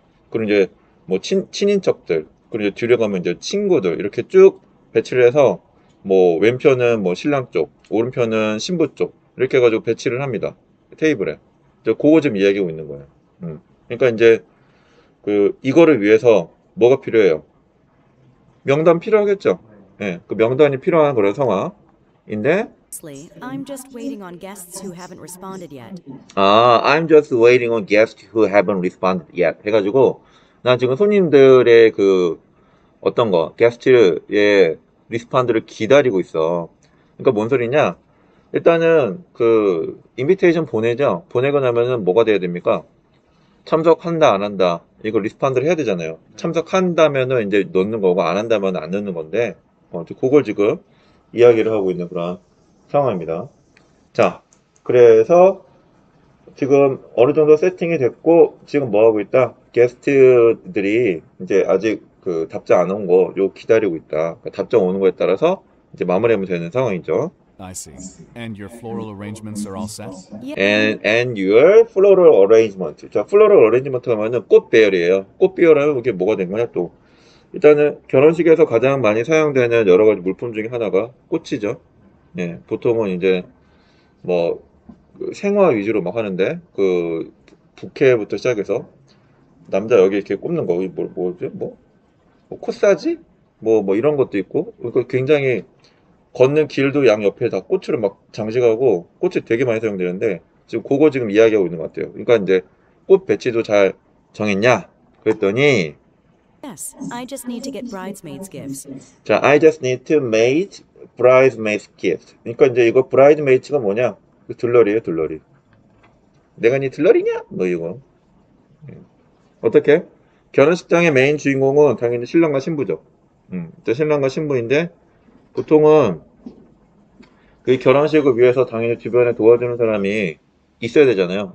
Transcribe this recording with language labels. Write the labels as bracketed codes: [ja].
[ko] 그리고 이제 뭐 친인척들 그리고 이제 뒤로 가면 이제 친구들 이렇게 쭉 배치를 해서 뭐 왼편은 뭐 신랑 쪽, 오른편은 신부 쪽 이렇게 해가지고 배치를 합니다 테이블에. 이제 그거 지금 이야기하고 있는 거예요. 그러니까 이제 그 이거를 위해서 뭐가 필요해요? 명단 필요하겠죠? 예, 그 명단이 필요한 그런 상황인데. [en] I'm just waiting on guests who haven't responded yet. I'm just waiting on guests who haven't responded yet. [ko] 해가지고 난 지금 손님들의 그 어떤 거 게스트의 리스판드를 기다리고 있어. 그러니까 뭔 소리냐? 일단은 그 인비테이션 보내죠. 보내고 나면은 뭐가 돼야 됩니까? 참석한다 안 한다 이거 리스판드를 해야 되잖아요. 참석한다면은 이제 넣는 거고 안 한다면 안 넣는 건데 그걸 지금 이야기를 하고 있는 그런 상황입니다. 자, 그래서 지금 어느 정도 세팅이 됐고, 지금 뭐 하고 있다? 게스트들이 이제 아직 그 답장 안온 거, 요 기다리고 있다. 그러니까 답장 오는 거에 따라서 이제 마무리하면 되는 상황이죠. [en] I see. And your floral arrangements are all set? And your floral arrangement. [ko] 자, floral arrangement 하면은 꽃 배열이에요. 꽃 배열하면 이게 뭐가 된 거냐, 또. 일단은 결혼식에서 가장 많이 사용되는 여러 가지 물품 중에 하나가 꽃이죠. 예, 보통은 이제 뭐 생화 위주로 막 하는데 그 부케부터 시작해서 남자 여기 이렇게 꼽는 거 뭐지 뭐 코사지 뭐뭐 뭐 이런 것도 있고 그 굉장히 걷는 길도 양 옆에 다 꽃으로 막 장식하고 꽃이 되게 많이 사용되는데 지금 그거 지금 이야기하고 있는 것 같아요. 그러니까 이제 꽃 배치도 잘 정했냐 그랬더니 [en] Yes, I just need to get bridesmaids' gifts. 자, I just need to make bridesmaids gift. [ko] 그러니까 이제 이거 bridesmaids가 뭐냐? 들러리예요, 들러리. 내가 니 들러리냐? 뭐 이거. 어떻게? 결혼식장의 메인 주인공은 당연히 신랑과 신부죠. 또 신랑과 신부인데 보통은 그 결혼식을 위해서 당연히 주변에 도와주는 사람이 있어야 되잖아요.